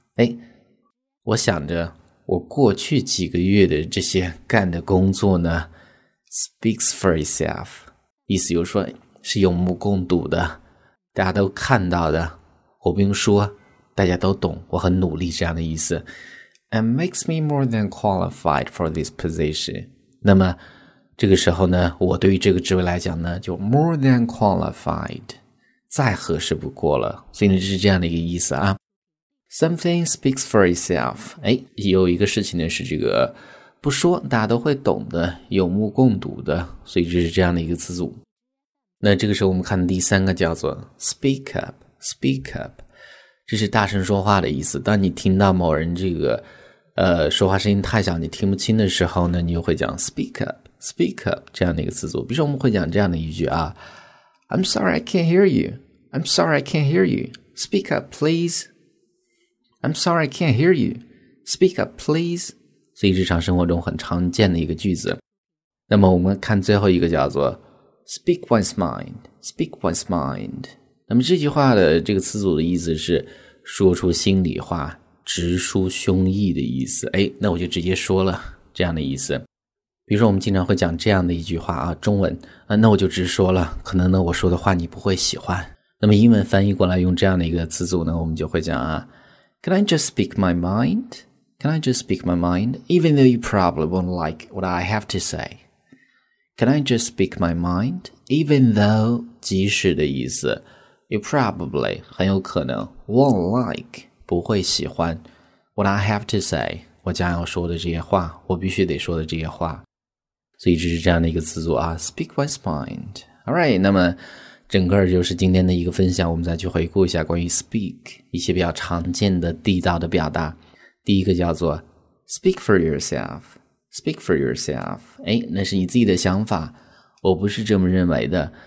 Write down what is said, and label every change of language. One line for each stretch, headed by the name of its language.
Chinese: 哎，我想着我过去几个月的这些干的工作呢
English: speaks for itself。
Chinese: 意思就是说是有目共睹的，大家都看到的，我不用说大家都懂，我很努力，这样的意思。
English: And makes me more than qualified for this position.
Chinese: 那么这个时候呢，我对于这个职位来讲呢，就
English: more than qualified,
Chinese: 再合适不过了。所以呢，这是这样的一个意思啊。
English: Something speaks for itself.
Chinese: 哎，有一个事情呢是这个不说大家都会懂的，有目共睹的，所以这是这样的一个词组。那这个时候我们看第三个，叫做
English: speak up, speak up,
Chinese: 这是大声说话的意思。当你听到某人这个说话声音太小你听不清的时候呢，你就会讲
English: speak up, speak up,
Chinese: 这样的一个词组。比如说我们会讲这样的一句啊，
English: I'm sorry I can't hear you, I'm sorry I can't hear you, speak up please,
Chinese: I'm sorry I can't hear you, speak up please,所以日常生活中很常见的一个句子。那么我们看最后一个，叫做
English: speak one's mind, speak one's mind。
Chinese: 那么这句话的这个词组的意思是说出心里话，直抒胸臆的意思。哎，那我就直接说了，这样的意思。比如说我们经常会讲这样的一句话啊，中文啊，那我就直说了，可能呢我说的话你不会喜欢。那么英文翻译过来用这样的一个词组呢，我们就会讲啊，
English: Can I just speak my mindCan I just speak my mind, even though you probably won't like what I have to say? Can I just speak my mind, even though,
Chinese: 即使的意思,
English: you probably,
Chinese: 很有可能,
English: won't like,
Chinese: 不会喜欢,
English: what I have to say,
Chinese: 我将要说的这些话,我必须得说的这些话。所以这是这样的一个词组啊,
English: speak one's mind. Alright,
Chinese: 那么整个就是今天的一个分享,我们再去回顾一下关于 speak, 一些比较常见的地道的表达。第一个叫做
English: speak for yourself, speak for yourself,
Chinese: 哎，那是你自己的想法，我不是这么认为的。